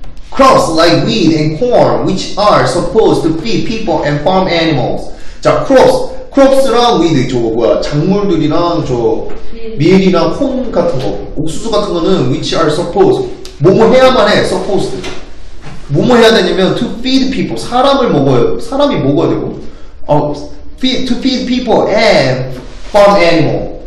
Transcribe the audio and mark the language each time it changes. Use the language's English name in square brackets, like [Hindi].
[English] Crops like wheat and corn, which are supposed to feed people and farm animals. [Korean] 자, crops랑 wheat, 저거 뭐야, 작물들이랑 저 밀이나 콩 같은 거, 옥수수 같은 거는 [English] which are supposed, [Korean] 뭐뭐 해야만 해, supposed. 뭐뭐 해야 되냐면 [English] to feed people, [Korean] 사람이 먹어야 되고, [English] to feed people and farm animal.